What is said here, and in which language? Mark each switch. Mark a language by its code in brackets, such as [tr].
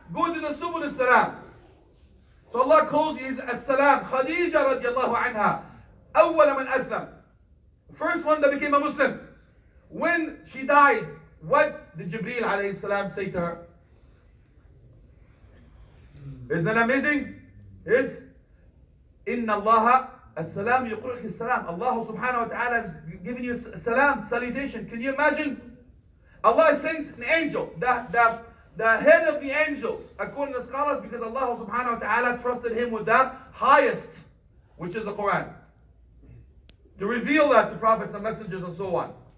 [en] Go to the subul as-salam. So Allah calls his as-salam. [ar] Khadija radiallahu anha. أول من أسلم. [en] First one that became a Muslim. When she died, what did Jibreel alayhi salam say to her? Isn't that amazing? Yes? [ar] إِنَّ اللَّهَ السلام يقرأك السلام. [en] Allah subhanahu wa ta'ala has given you salam, salutation. Can you imagine? Allah sends an angel, the head of the angels, according to scholars, because Allah subhanahu wa ta'ala trusted him with the highest, which is the Quran, to reveal that to prophets and messengers and so on.